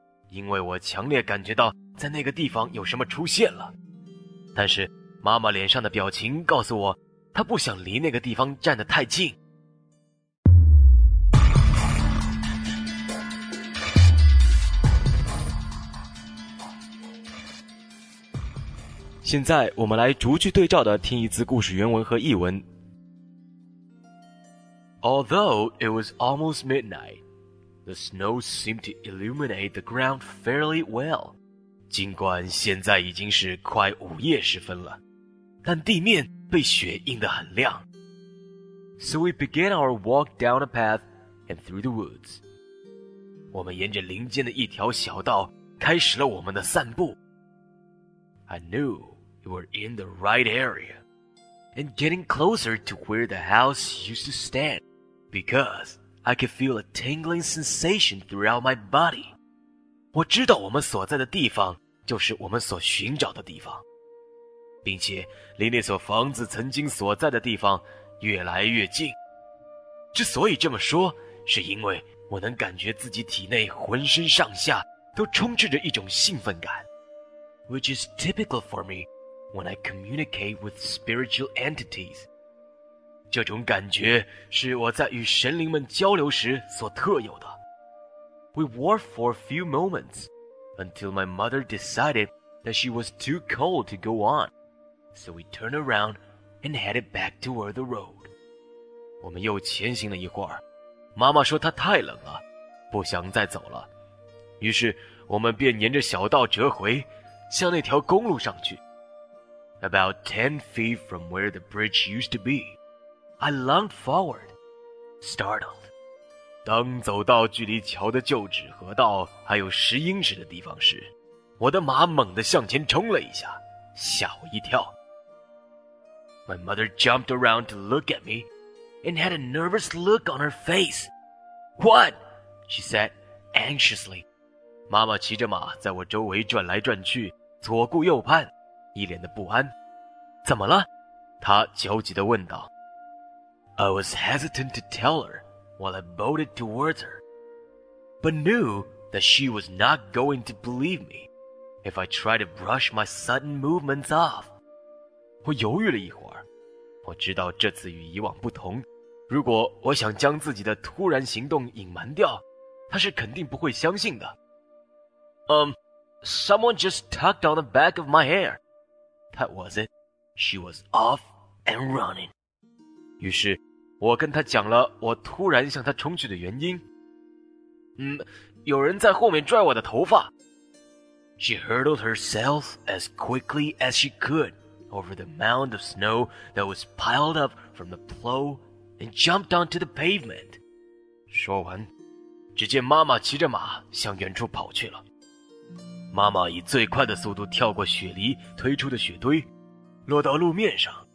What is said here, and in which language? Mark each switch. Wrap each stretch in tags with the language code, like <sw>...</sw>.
<zh>因为我强烈感觉到在那个地方有什么出现了，但是妈妈脸上的表情告诉我，她不想离那个地方站得太近。现在我们来逐句对照的听一次故事原文和译文。</zh> <en>Although it was almost midnight, the snow seemed to illuminate the ground fairly well.</en> <zh>尽管现在已经是快午夜时分了，但地面被雪映得很亮。</zh> <en>So we began our walk down a path and through the woods.</en> <zh>我们沿着林间的一条小道开始了我们的散步。</zh> <en>I knew you were in the right area and getting closer to where the house used to stand because I could feel a tingling sensation throughout my body.</en> <zh>我知道我们所在的地方就是我们所寻找的地方，并且离那所房子曾经所在的地方越来越近。之所以这么说，是因为我能感觉自己体内浑身上下都充斥着一种兴奋感，</zh> <en>which is typical for me when I communicate with spiritual entities.</en> <zh>这种感觉是我在与神灵们交流时所特有的。</zh> <en>We walked for a few moments until my mother decided that she was too cold to go on. So we turned around and headed back toward the road.</en> <zh>我们又前行了一会儿，妈妈说她太冷了，不想再走了。于是我们便沿着小道折回，向那条公路上去。</zh> <en>About 10 feet from where the bridge used to be, I lunged forward, startled.</en> <zh>当走到距离桥的旧址河道还有10英尺的地方时，我的马猛地向前冲了一下，吓我一跳。</zh> <en>My mother jumped around to look at me and had a nervous look on her face. What? She said anxiously.</en> <zh>妈妈骑着马在我周围转来转去，左顾右盼，一脸的不安。怎么了？她焦急地问道。</zh> <en>I was hesitant to tell her while I bolted towards her, but knew that she was not going to believe me if I tried to brush my sudden movements off.</en> <zh>我犹豫了一会儿，我知道这次与以往不同，如果我想将自己的突然行动隐瞒掉，她是肯定不会相信的。</zh> <en>Someone just tugged on the back of my hair. That was it. She was off and running.</en> <zh>于是我跟她讲了我突然向她冲去的原因。有人在后面拽我的头发。</zh> <en>She hurled herself as quickly as she could over the mound of snow that was piled up from the plow and jumped onto the pavement.</en> <zh>说完，只见妈妈骑着马向远处跑去了。妈妈以最快的速度跳过雪梨推出的雪堆，落到路面上。</zh>